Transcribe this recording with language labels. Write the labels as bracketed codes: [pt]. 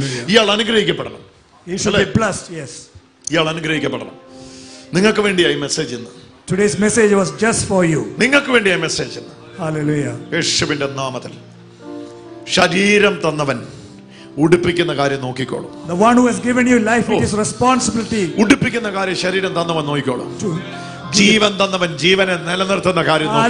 [ml] ഇയാൾ അനുഗ്രഹിക്കപ്പെടണം. ഇയാൾ അനുഗ്രഹിക്കപ്പെടണം. നിങ്ങൾക്ക് വേണ്ടിയായി മെസ്സേജ് ഇന്ന്. [en] Today's message was just for you. [ml] നിങ്ങൾക്ക് വേണ്ടിയായി മെസ്സേജ് ഇന്ന്. [en] Hallelujah. [ml] യേശുവിന്റെ നാമത്തിൽ. ശരീരം തന്നവൻ ഉടുപ്പിക്കുന്ന കാര്യം നോക്കിക്കോളൂ. [en] The one who has given you life, it is responsibility. [ml] ഉടുപ്പിക്കുന്ന കാര്യം ശരീരം തന്നവൻ നോക്കിക്കോളൂ. ജീവൻ തന്നവൻ ജീവനെ നിലനിർത്തുന്ന കാര്യം